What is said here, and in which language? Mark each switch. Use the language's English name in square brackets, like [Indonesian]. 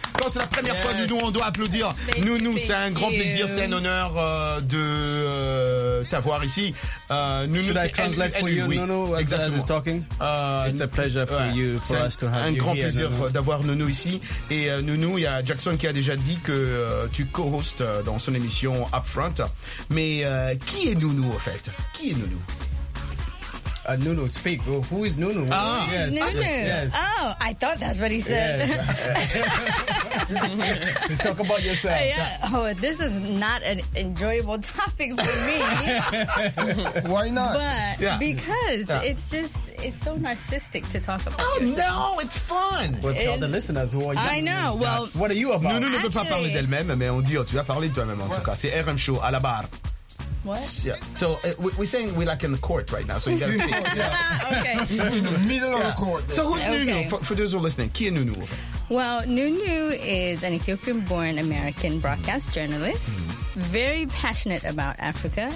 [French] Quand c'est la première fois Nounou, on doit applaudir. Nounou, c'est un grand plaisir, c'est un honneur de t'avoir ici. [English] Should I translate for you, Nounou, as he's talking? It's a pleasure for you, for us to have you here. [French] Un grand plaisir d'avoir Nounou ici. Et Nounou, il y a Jackson qui a déjà dit que tu co-hostes dans son émission Upfront. Mais qui est Nounou, en fait? Qui est Nounou? [English] Nounou, speak. Who is Nounou? Ah, yes. Nounou. Yes. Oh, I thought that's what he said. Yes. Talk about yourself. Oh, this is not an enjoyable topic for me. Why not? But because it's just... It's so narcissistic to talk about. Oh, no, it's fun. Well, tell the listeners who are you. I know. Well, what are you about? [French] Nounou ne veut pas parler d'elle-même, mais on dit, oh, tu vas parler de toi-même, en tout cas. C'est RM Show à la barre. [English] What? Yeah. So we're saying we're like in the court right now. So you gotta speak. Okay. In the middle of the court. So who's Nounou? For those who are listening, Kia Nounou. Well, Nounou is an Ethiopian-born American broadcast journalist. Very passionate about Africa.